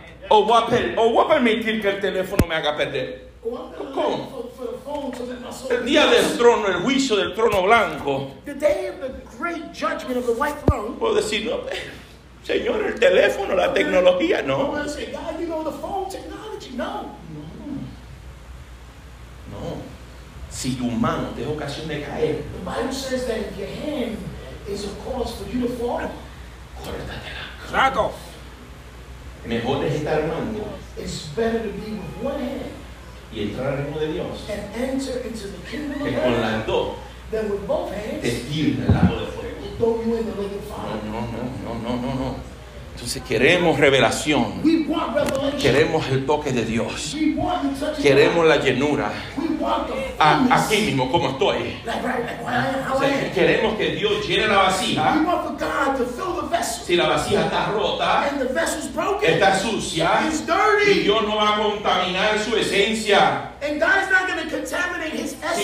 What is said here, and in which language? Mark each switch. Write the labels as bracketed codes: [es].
[es] O voy a permitir que el teléfono me haga perder. ¿Cómo? El día del trono, el juicio del trono blanco. [en] The day of the great judgment of the white throne. [es] Puedo decir, no, Señor, el teléfono, la tecnología, no. No. Si tu mano te da ocasión de caer, [en] the Bible says that if your hand is a cause for you to fall, [es] córtatela. Saco. Mejor es estar mando. [en] It's better to be with one hand [es] y entrar al reino de Dios [en] and enter into the kingdom of [es] que con las dos [en] than with both hands [es] te tiren al lago de fuego. [en] Throw you in the lake of fire. [es] No. Entonces queremos revelación. [en] We want revelation. [es] Queremos el toque de Dios. [en] We want the touch of [es] queremos [en] God. [es] La llenura. [en] We want the [es] aquí mismo, como estoy. [en] Like, right, like, how [es] o sea, queremos que Dios llene la vasija. [en] We want for God to fill the vessel. [es] Si la vasija está rota, [en] and the vessel's broken, [es] está sucia, [en] it's dirty. [es] Y Dios no va a contaminar su esencia. [en] And God's not going to contaminate his essence.